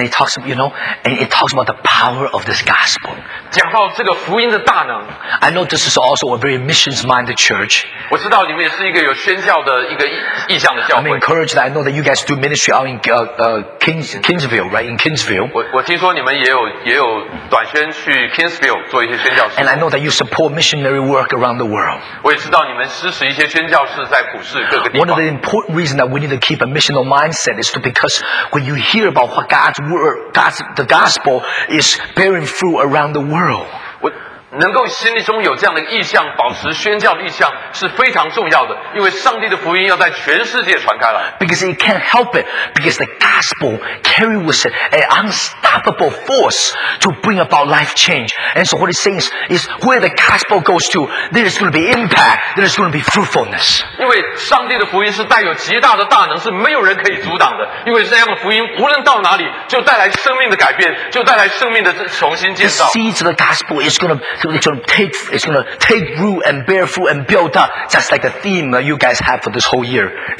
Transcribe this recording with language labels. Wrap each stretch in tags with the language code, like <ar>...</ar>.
<en>it talks, you know, and it talks about the power of this gospel.</en> <zh>讲到这个福音的大能。</zh> <en>I know this is also a very missions-minded church.</en> <zh>我知道你们也是一个有宣教的一个意向的教会。</zh> <en>I'm encouraged that I know that you guys do ministry out in Kingsville, right? In Kingsville.</en> <zh>我听说你们也有短宣去 Kingsville,</zh> <en>and I know that you support missionary work around the world. One of the important reasons that we need to keep a missional mindset is because when you hear about what God's word, the gospel is bearing fruit around the world,</en> <zh>能够心里中有这样的意向，保持宣教的意向是非常重要的，因为上帝的福音要在全世界传开了。</zh> <en>Because it can't help it, because the gospel carries with it an unstoppable force to bring about life change. And so what it says is where the gospel goes to, there is going to be impact, there is going to be fruitfulness.</en> <zh>因为上帝的福音是带有极大的大能，是没有人可以阻挡的。因为这样的福音无论到哪里，就带来生命的改变，就带来生命的重新建造。</zh> <en>The seeds of the gospel is going to It's going to take root and bear fruit and build up, just like the theme that you guys have for this whole year.</en>